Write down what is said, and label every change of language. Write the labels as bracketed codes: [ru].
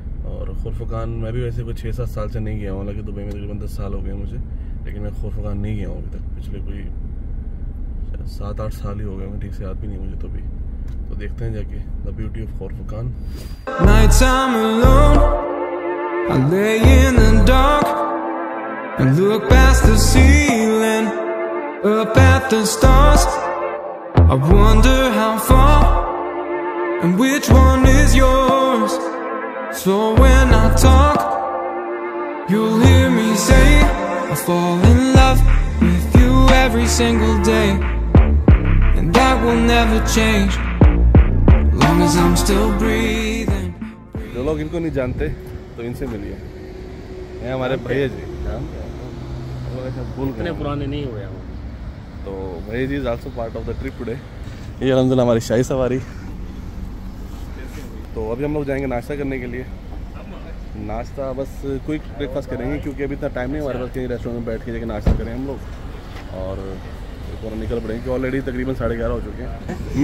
[hi] और खुरफकान मैं भी वैसे कुछ 6-7 साल से नहीं गया हूँ, हालांकि दुबई में तकरीबन 10 साल हो गए मुझे, लेकिन मैं खुरफकान नहीं गया हूँ अभी तक, पिछले कोई 7-8 साल ही हो गए, मैं ठीक से याद भी नहीं मुझे तो भी, तो देखते हैं जाके [en] The beauty of Khorfakkan. I lay in the dark and look past the ceiling up at the stars. I wonder how far and which one is yours. So when I talk, you'll hear me say I fall in love with you every single day, and that will never change long as I'm still breathing. [hi] The log inko nahi jante तो इनसे मिलिए, ये हमारे भैया जी। इतने पुराने नहीं हुए हम तो। [en] भैया ji is also part of the trip today. [hi] ये अलहमदुल्ला हमारी शाही सवारी। तो अभी हम लोग जाएंगे नाश्ता करने के लिए, नाश्ता बस क्विक ब्रेकफास्ट करेंगे क्योंकि अभी इतना टाइम नहीं हमारे पास कहीं रेस्टोरेंट में बैठ के जाके नाश्ता करें हम लोग, और एक बार निकल पड़ेंगे क्योंकि ऑलरेडी तकरीबन 11:30 हो चुके हैं।